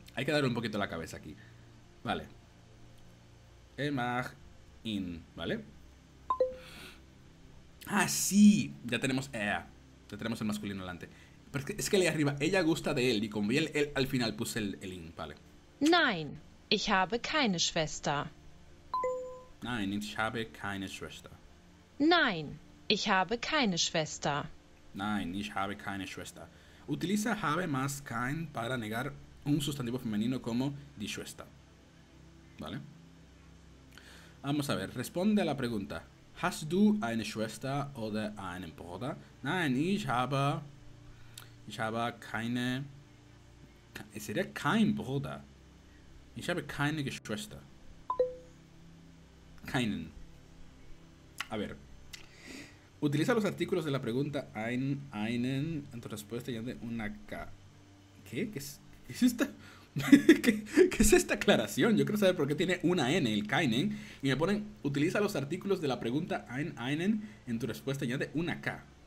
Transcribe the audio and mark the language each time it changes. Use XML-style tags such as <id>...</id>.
<es>Hay que darle un poquito la cabeza aquí. Vale. Emag in, ¿vale? ¡Ah, sí! Ya tenemos ea. Ya tenemos el masculino delante. Pero es que leí arriba, ella gusta de él, y como vi él al final puse el in, ¿vale?</es> <de>Nein, ich habe keine Schwester. Nein, ich habe keine Schwester. Nein, ich habe keine Schwester. Nein, ich habe keine Schwester.</de> <es>Utiliza habe más kein para negar un sustantivo femenino como die Schwester. ¿Vale? Vamos a ver, responde a la pregunta.</es> <de>¿Hast du eine Schwester oder einen Bruder? Nein, ich habe keine. Sería kein Bruder. Ich habe keine Geschwister.</de> <es>Keinen. A ver. Utiliza los artículos de la pregunta einen en tu respuesta y añade una K. ¿Qué? ¿Qué es esta? ¿Qué es esta aclaración? Yo quiero saber por qué tiene una N, el keinen. Y me ponen, utiliza los artículos de la pregunta einen en tu respuesta y añade una K.</es>